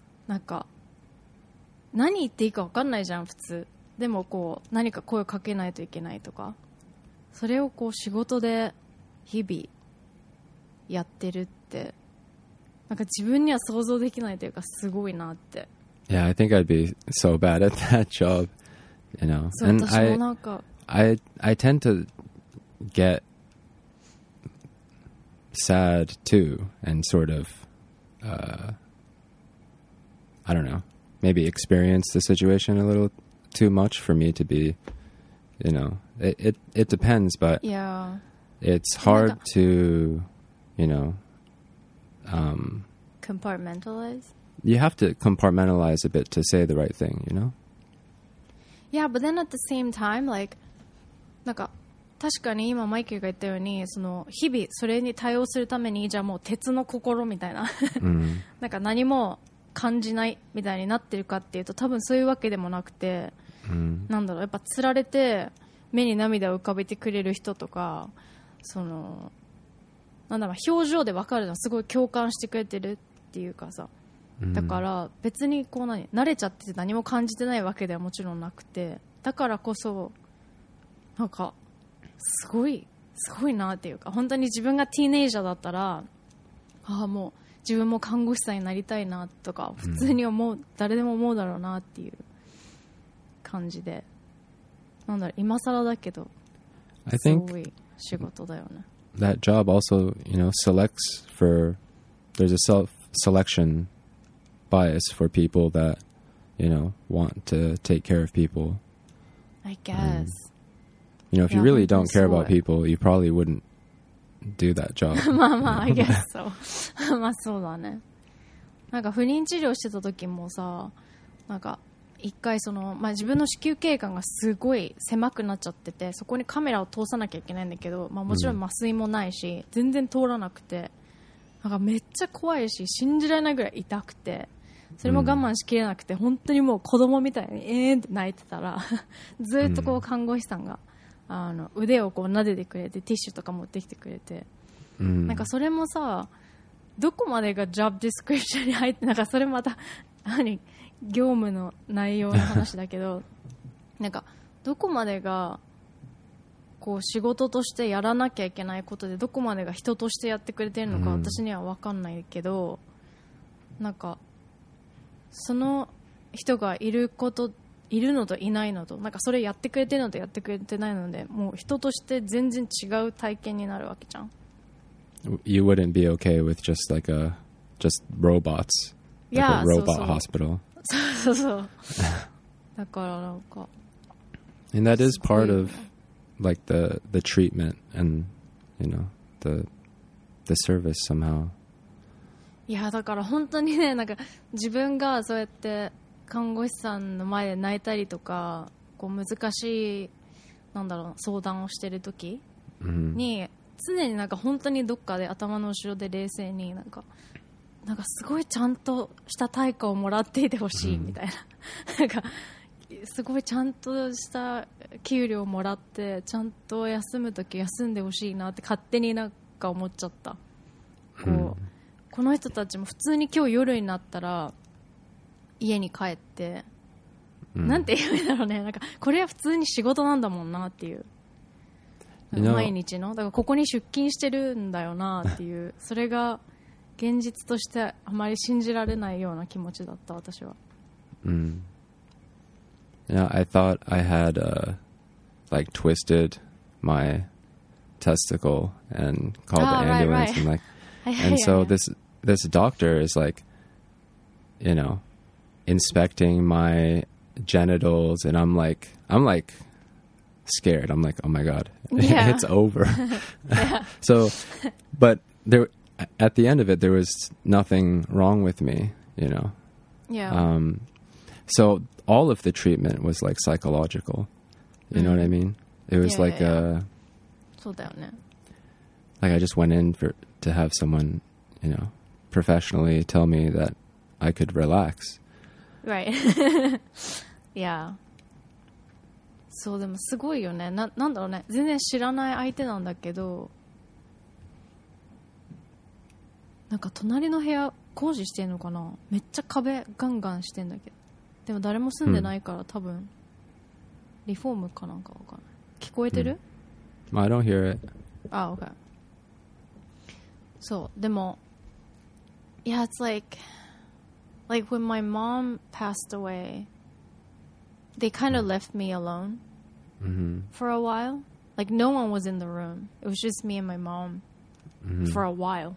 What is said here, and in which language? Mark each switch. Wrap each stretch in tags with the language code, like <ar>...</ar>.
<ja>なんか何言っていいか分かんないじゃん普通。でもこう何か声をかけないといけないとか、それをこう仕事で日々やってるって、なんか自分には想像できないというか、すごいなって。</ja> <en>Yeah, I think I'd be so bad at that job, you know. And I tend to get sad too, and sort of I don't know, maybe experience the situation a littleToo much for me to be, you know, it depends, but yeah, it's hard to, you know, compartmentalize. You have to compartmentalize a bit to say the right thing, you know? Yeah, but then at the same time, like,</en> <ja>なんか確かに今マイケルが言ったように、その日々それに対応するために、じゃあもう鉄の心みたいな、なんか何も感じないみたいになってるかっていうと、多分そういうわけでもなくて、なんだろう、やっぱつられて目に涙を浮かべてくれる人とか、そのなんだろう、表情で分かるの、すごい共感してくれてるっていうかさ、だから別にこう何慣れちゃってて何も感じてないわけではもちろんなくて、だからこそなんかすごいなっていうか、本当に自分がティーネイジャーだったら、ああもう自分も看護師さんになりたいなとか普通に思う、誰でも思うだろうなっていう感じで、なんだろう、今更だけど、</ja> <en>I think</en> <ja>すごい仕事だよね。</ja> <en>That job also, you know, selects for, there's a self-selection bias for people that, you know, want to take care of people. I guess. You know, if you really don't care about people, you probably wouldn't do that job.</en> <ja>まあまあ、</ja> <en>I guess so.</en> <ja>まあそうだね。なんか不妊治療してた時もさ、なんか一回その、まあ、自分の子宮頸管がすごい狭くなっちゃってて、そこにカメラを通さなきゃいけないんだけど、まあ、もちろん麻酔もないし全然通らなくて、なんかめっちゃ怖いし信じられないぐらい痛くて、それも我慢しきれなくて、本当にもう子供みたいにえーって泣いてたら、ずっとこう看護師さんがあの腕をこう撫でてくれて、ティッシュとか持ってきてくれて、なんかそれもさ、どこまでがジョブディスクリプションに入って、なんかそれまた何業務の内容の話だけど、なんかどこまでがこう仕事としてやらなきゃいけないことで、どこまでが人としてやってくれてるのか私には分かんないけど、なんかその人がいること、いるのといないのと、なんかそれやってくれてるのとやってくれてないので、もう人として全然違う体験になるわけじゃん。</ja> <en>You wouldn't be okay with just like a just robots, like yeah, a robot hospital.</en> <ja>そうそう。そうそうそう。だからなんか、</ja> <en>and that is part of like the treatment and you know the service somehow.</en> <ja>いやだから本当にね、なんか自分がそうやって看護師さんの前で泣いたりとか、こう難しいなんだろう相談をしてる時に、常になんか本当にどっかで頭の後ろで冷静になんか。なんかすごいちゃんとした対価をもらっていてほしいみたいな、なんかすごいちゃんとした給料をもらって、ちゃんと休むとき休んでほしいなって勝手になんかか思っちゃった。こう、うん、この人たちも普通に今日夜になったら家に帰って、うん、なんて言うんだろうね、なんかこれは普通に仕事なんだもんなっていう、毎日のだからここに出勤してるんだよなっていう、それが現実としてあまり信じられないような気持ちだった私は。うん。</ja> <en>Yeah, I thought I had like twisted my testicle and called the ambulance right, right. and like and so this doctor is like, you know, inspecting my genitals and I'm like scared. I'm like, oh my god, yeah. it's over. yeah. So, but there, at the end of it, there was nothing wrong with me, you know. Yeah. So all of the treatment was like psychological. You know what I mean? It was like I just went in for to have someone, you know, professionally tell me that I could relax. Right. yeah.</en> <ja>そうでもすごいよね、 なんだろうね、全然知らない相手なんだけど、なんか隣の部屋工事してんのかな、めっちゃ壁ガンガンしてんだけど、でも誰も住んでないから、うん、多分リフォームかなんか分かんない、聞こえてる、</ja> <en>うん、I don't hear it. Oh, okay.</en> <ja>そうでも</ja> <en>Yeah, it's like when my mom passed awayThey kind of left me alone for a while. Like, no one was in the room. It was just me and my mom for a while.</en>